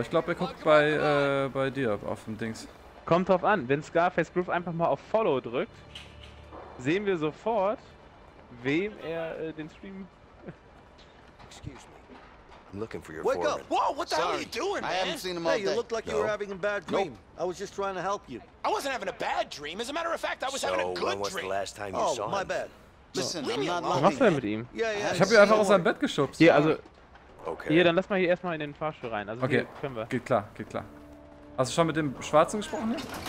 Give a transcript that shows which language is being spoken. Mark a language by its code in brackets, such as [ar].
[de] Ich glaube, er guckt bei dir auf dem Dings. Kommt drauf an, wenn Scarface Groove einfach mal auf Follow drückt, sehen wir sofort, wem er den Stream. [en] Excuse me. I'm looking for your friend. Wake up! Whoa, what the hell are you doing, man? I haven't seen him all day. Hey, you looked like you were having a bad dream. Nope. I was just trying to help you. I wasn't having a bad dream. As a matter of fact, I was having a good dream. So, when was the last time you saw him? Oh, my bad. Listen, I'm not [de] lying. Was machst du denn mit ihm? Ich habe ihn einfach aus seinem Bett geschubst. Ja, also. Okay. Hier, dann lass mal hier erstmal in den Fahrstuhl rein. Also okay, können wir. Geht klar, geht klar. Hast du schon mit dem Schwarzen gesprochen hier?